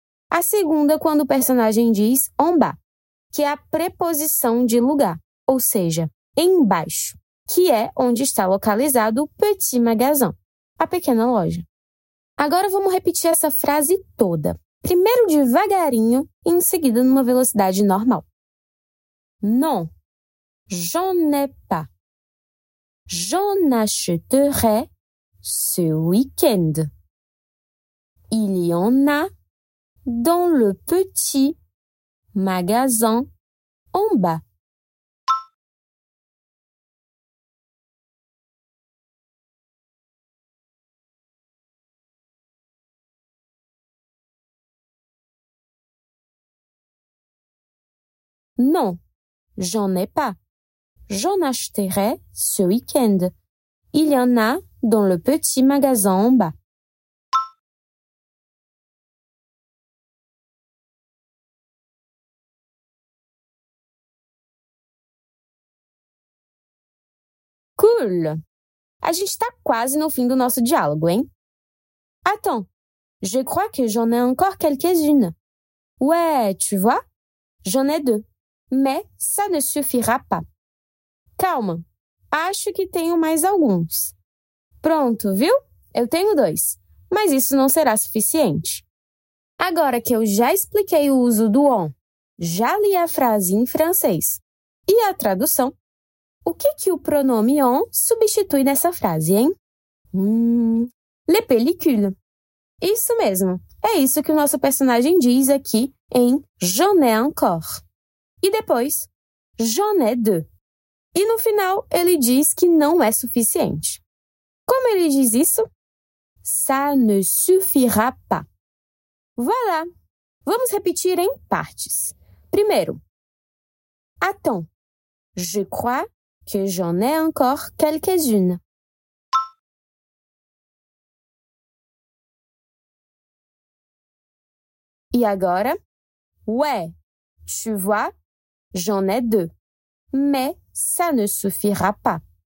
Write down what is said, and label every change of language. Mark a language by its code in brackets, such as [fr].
[pt] A segunda, quando o personagem diz en bas, que é a preposição de lugar, ou seja, embaixo, que é onde está localizado o petit magasin, a pequena loja. Agora vamos repetir essa frase toda. Primeiro devagarinho e em seguida numa velocidade normal. [fr] Non, j'en ai pas. J'en achèterai ce week-end. Il y en a dans le petit magasin en bas. Non, j'en ai pas. J'en achèterai ce week-end. Il y en a dans le petit magasin en bas. Cool! [pt] A gente está quase no fim do nosso diálogo, hein? [fr] Attends, je crois que j'en ai encore quelques-unes. Ouais, tu vois? J'en ai deux. Mais ça ne suffira pas. [pt] Calma, acho que tenho mais alguns. Pronto, viu? Eu tenho dois, mas isso não será suficiente. Agora que eu já expliquei o uso do on, já li a frase em francês e a tradução, o que que o pronome on substitui nessa frase, hein? [fr] Les pellicules. [pt] Isso mesmo, é isso que o nosso personagem diz aqui em [fr] J'en ai encore. [pt] E depois, [fr] j'en ai deux. [pt] E no final, ele diz que não é suficiente. Como ele diz isso? [fr] Ça ne suffira pas. Voilà. [pt] Vamos repetir em partes. Primeiro, [fr] attends, je crois que j'en ai encore quelques-unes. [pt] E agora, [fr] ouais, tu vois? J'en ai deux, mais ça ne suffira pas.